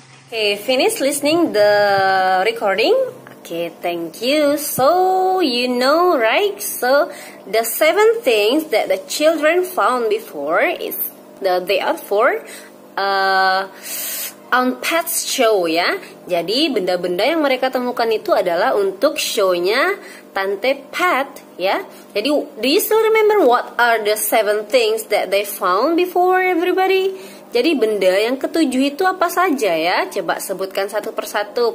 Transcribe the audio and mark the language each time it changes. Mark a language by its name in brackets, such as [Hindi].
[English] Okay, finish listening the recording. Okay, thank you. So, you know, right? So, the 7 things that the children found before is that they are for Aunt Pat's show, ya. [Indonesian] Jadi, benda-benda yang mereka temukan itu adalah untuk show-nya Tante Pat, ya. [English] Jadi, do you still remember what are the 7 things that they found before, everybody? [Indonesian] Jadi benda yang ketujuh itu apa saja ya? Coba sebutkan satu persatu.